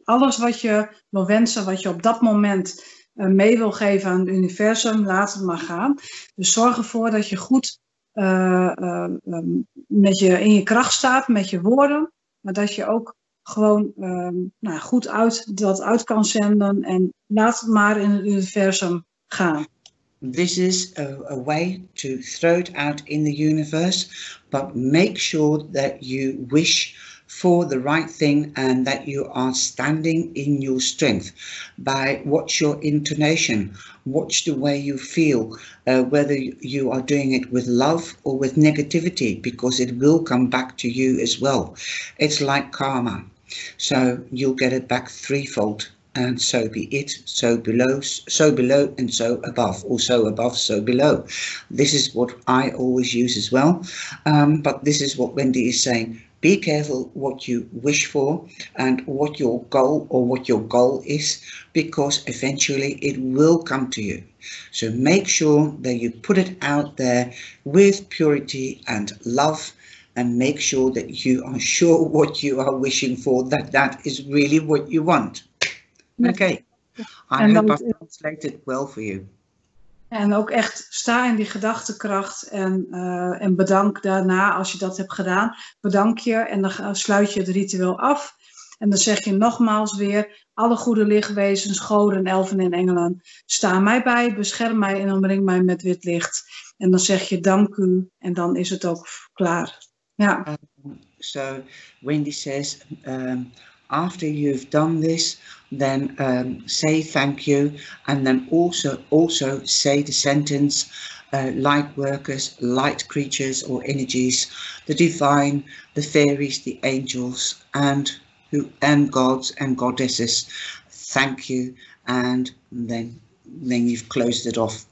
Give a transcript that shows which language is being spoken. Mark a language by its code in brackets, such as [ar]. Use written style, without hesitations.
[nl] Alles wat je wil wensen, wat je op dat moment mee wil geven aan het universum, laat het maar gaan. Dus zorg ervoor dat je goed met je, in je kracht staat met je woorden. Maar dat je ook gewoon goed uit dat uit kan zenden. En laat het maar in het universum gaan. [en] This is a way to throw it out in the universe. But make sure that you wish for the right thing and that you are standing in your strength by what's your intonation, watch the way you feel, whether you are doing it with love or with negativity, because it will come back to you as well. It's like karma, so you'll get it back threefold, and so be it, so below and so above, or so above, so below. This is what I always use as well, but this is what Wendy is saying. Be careful what you wish for and what your goal or what your goal is, because eventually it will come to you. So make sure that you put it out there with purity and love, and make sure that you are sure what you are wishing for, that that is really what you want. Okay. I hope I've translated well for you. [nl] En ook echt sta in die gedachtekracht en bedank daarna als je dat hebt gedaan. Bedank je en dan sluit je het ritueel af. En dan zeg je nogmaals weer, alle goede lichtwezens, goden, elfen en engelen, sta mij bij, bescherm mij en omring mij met wit licht. En dan zeg je dank u en dan is het ook klaar. Ja. [en] So Wendy says, after you've done this, then say thank you, and then also say the sentence, light workers, light creatures or energies, the divine, the fairies, the angels, and gods and goddesses, thank you, and then you've closed it off.